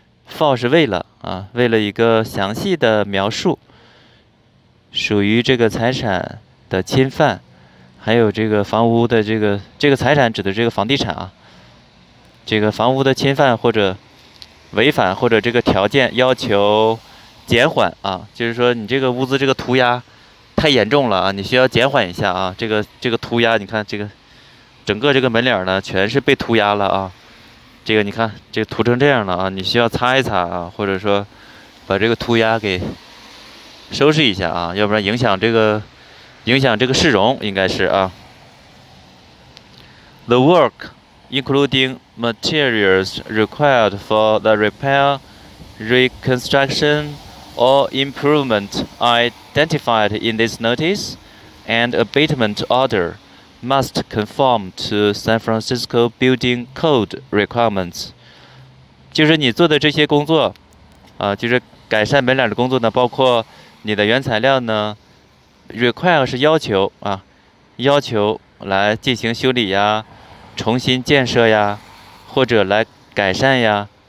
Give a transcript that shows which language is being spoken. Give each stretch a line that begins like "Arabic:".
Chinese: For 是为了啊，为了一个详细的描述，属于这个财产的侵犯，还有这个房屋的这个财产指的这个房地产啊，这个房屋的侵犯或者违反或者这个条件要求减缓啊，就是说你这个屋子这个涂鸦太严重了啊，你需要减缓一下啊，这个涂鸦你看这个整个这个门脸呢全是被涂鸦了啊。这个你看，这个涂成这样了啊，你需要擦一擦啊，或者说把这个涂鸦给收拾一下啊，要不然影响这个影响这个市容应该是啊。
English: The work, including materials required for the repair, reconstruction, or improvement identified in this notice and abatement order, must conform to San Francisco Building Code requirements.
Chinese: 就是你做的这些工作，啊，就是改善门脸的工作呢，包括你的原材料呢 ，require 是要求啊，要求来进行修理呀。重新建设呀，或者来改善呀。